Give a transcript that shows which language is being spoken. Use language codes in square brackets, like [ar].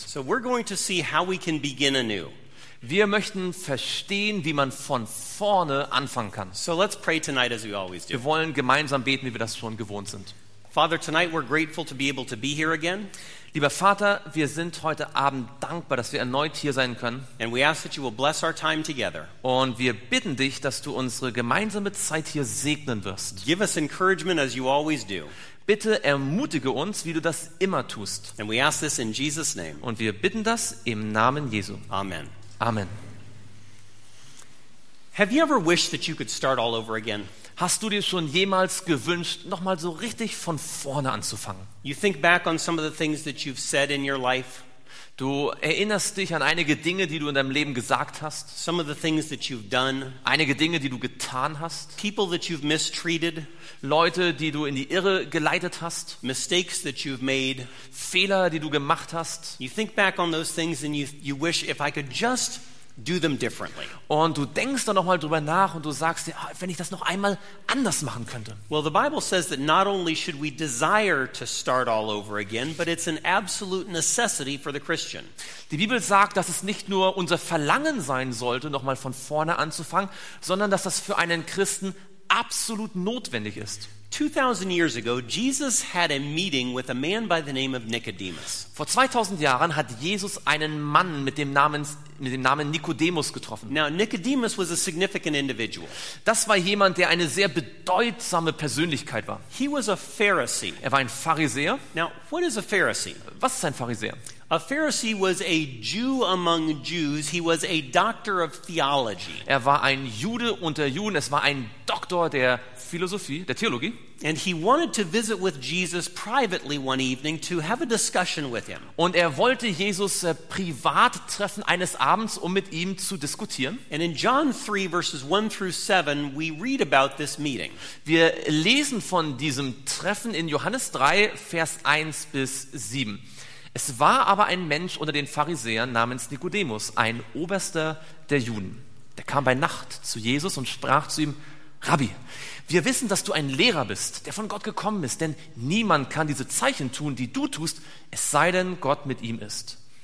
[en] So we're going to see how we can begin anew. [de] Wir möchten verstehen, wie man von vorne anfangen kann. [en] So let's pray tonight as we always do. [de] Wir wollen gemeinsam beten, wie wir das schon gewohnt sind. [en] Father, tonight we're grateful to be able to be here again. [de] Lieber Vater, wir sind heute Abend dankbar, dass wir erneut hier sein können. [en] And we ask that you will bless our time together. [de] Und wir bitten dich, dass du unsere gemeinsame Zeit hier segnen wirst. [en] Give us encouragement as you always do. [de] Bitte ermutige uns, wie du das immer tust. [en] And we ask this in Jesus' name. [de] Und wir bitten das im Namen Jesu. [en] Amen. [de] Amen. [en] Have you ever wished that you could start all over again? [de] Hast du dir schon jemals gewünscht, nochmal so richtig von vorne anzufangen? [en] You think back on some of the things that you've said in your life. [de] Du erinnerst dich an einige Dinge, die du in deinem Leben gesagt hast. [en] Some of the things that you've done. [de] Einige Dinge, die du getan hast. [en] People that you've mistreated. [de] Leute, die du in die Irre geleitet hast. [en] Mistakes that you've made. [de] Fehler, die du gemacht hast. [en] You think back on those things and you wish, if I could just do them differently. [de] Und du denkst dann noch mal drüber nach und du sagst dir, wenn ich das noch einmal anders machen könnte. [en] Well, the Bible says that not only should we desire to start all over again, but it's an absolute necessity for the Christian. [de] Die Bibel sagt, dass es nicht nur unser Verlangen sein sollte, noch mal von vorne anzufangen, sondern dass das für einen Christen absolut notwendig ist. [en] 2000 years ago, Jesus had a meeting with a man by the name of Nicodemus. [de] Vor 2000 Jahren hat Jesus einen Mann mit dem Namen Nicodemus getroffen. [en] Now, Nicodemus was a significant individual. [de] Das war jemand, der eine sehr bedeutsame Persönlichkeit war. [en] He was a Pharisee. [de] Er war ein Pharisäer. [en] Now, what is a Pharisee? [de] Was ist ein Pharisäer? [en] A Pharisee was a Jew among Jews. He was a doctor of theology. [de] Er war ein Jude unter Juden. Es war ein Doktor der Philosophie, der Theologie. [en] And he wanted to visit with Jesus privately one evening to have a discussion with him. [de] Und wollte Jesus privat treffen eines Abends, mit ihm zu diskutieren. [en] And in John 3 verses 1 through 7 we read about this meeting. [de] Wir lesen von diesem Treffen in Johannes 3 Vers 1 bis 7. Es war aber ein Mensch unter den Pharisäern namens Nikodemus, ein Oberster der Juden. Der kam bei Nacht zu Jesus und sprach zu ihm: Rabbi, wir wissen, dass du ein Lehrer bist, der von Gott gekommen ist, denn niemand kann diese Zeichen tun, die du tust, es sei denn, Gott mit ihm ist.